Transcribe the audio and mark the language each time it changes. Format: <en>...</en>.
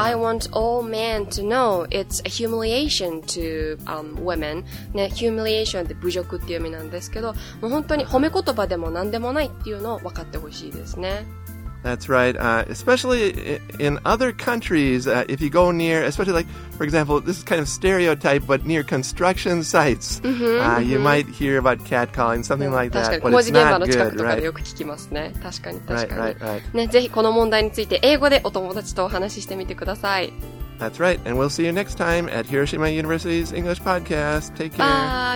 <en>I want all men to know it's a humiliation to、women、</en> <ja>ね、Humiliation って侮辱っていう意味なんですけどもう本当に褒め言葉でも何でもないっていうのを分かってほしいですね</ja> <en>That's right. Especially in other countries, if you go near, especially like, for example, this is kind of stereotype, but near construction sites, you might hear about catcalling, something like that. But it's not good, right?</en> <ja>工事現場の近くとかでよく聞きますね。 Right. ね、ぜひこの問題について英語でお友達とお話ししてみてください。</ja> <en>That's right. And we'll see you next time at Hiroshima University's English Podcast. Take care.</en>